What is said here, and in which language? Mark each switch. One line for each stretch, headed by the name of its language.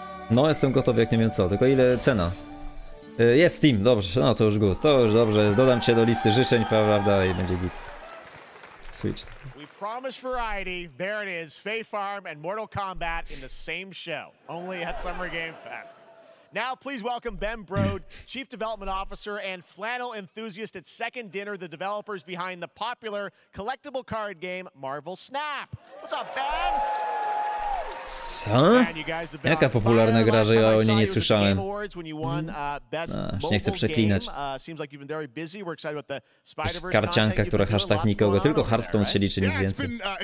Polish: No, jestem gotowy, jak nie wiem co, tylko ile cena? Jest Steam, dobrze, no to już good, to już dobrze, dodam cię do listy życzeń, prawda, i będzie git.
English: Switch. We promise variety, there it is, Fae Farm and Mortal Kombat in the same show, only at Summer Game Fest. Now, please welcome Ben Brode, Chief Development Officer and flannel enthusiast at Second Dinner, the developers behind the popular collectible card game Marvel Snap. What's up, Ben?
Polish: Co? Jaka popularna gra, że ja o niej nie słyszałem? Aż nie chcę przeklinać. Karcianka, która hashtag nikogo, tylko Hearthstone się liczy, nic więcej.